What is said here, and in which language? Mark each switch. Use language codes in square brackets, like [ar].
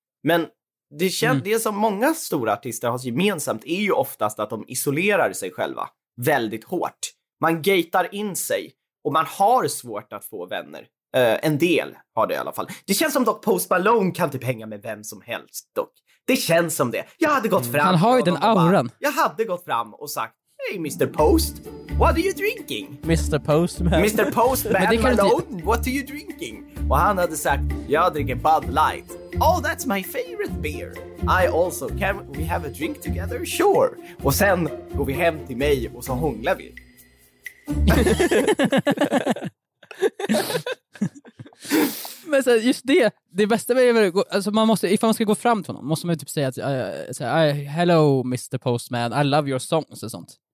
[sv] Men det som många stora artister har gemensamt är ju oftast att de isolerar sig själva väldigt hårt. Man gatar in sig och man har svårt att få vänner. En del har det i alla fall. Det känns som dock Post Malone kan typ hänga med vem som helst dock. Det känns som det. Jag hade gått fram. Han har ju den auran. Jag hade gått fram och sagt: [en] "Hey Mr. Post, what are you drinking?" Mr. Postman. Mr. Postman Malone, what are you drinking? [sv] Och han hade sagt: "Jag dricker Bud Light. [en] Oh, that's my favorite beer. I also, can we have a drink together? Sure." [sv] Och sen går vi hem till mig och så hånglar vi. Men så just det bästa med att gå, alltså man måste, ifall man ska gå fram till honom måste man typ säga att [en] hello Mr. Postman, I love your songs [sv] och sånt.